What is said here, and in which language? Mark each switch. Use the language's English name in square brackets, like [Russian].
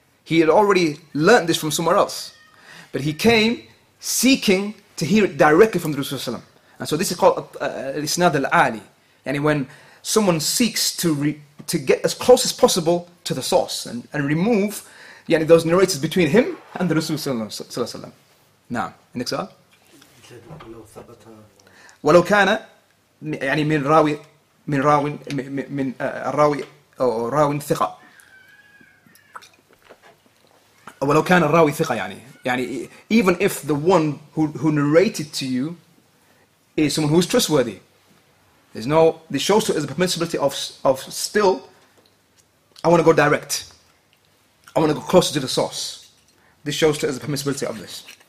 [English] He had already learned this from somewhere else. But he came seeking to hear it directly from the Rasulullah Sallallahu Alaihi Wasallam. And so this is called al-isnad al-ali. And when someone seeks to get as close as possible to the source and remove يعني those narrators between him and the Rasul sallallahu alaihi wasallam. Now, next one. [Arabic] ولو كان يعني من الراوي أو راوي ثقة. ولو كان الراوي ثقة يعني [English] even if the one who narrated to you is someone who is trustworthy, this shows to us the permissibility of still, I want to go direct. I want to go closer to the source. This shows to us the permissibility of this.